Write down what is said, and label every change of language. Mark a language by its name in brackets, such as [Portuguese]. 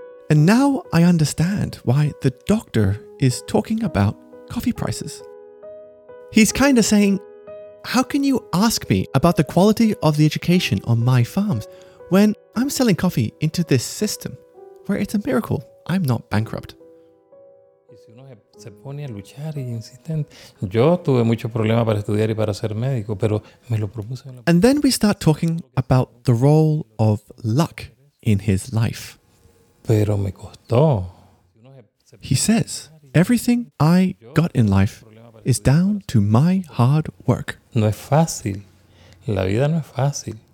[English] And now I understand why the doctor is talking about coffee prices. He's kind of saying, how can you ask me about the quality of the education on my farms when I'm selling coffee into this system where it's a miracle I'm not bankrupt? [Spanish] Se pone a luchar y insistente. Yo tuve mucho problema para estudiar y para ser médico, pero me lo propuse. [English] And then we start talking about the role of luck in his life. [Spanish] Pero me costó. [English] He says, everything I got in life is down to my hard work. [Spanish] No es fácil. La vida no es fácil.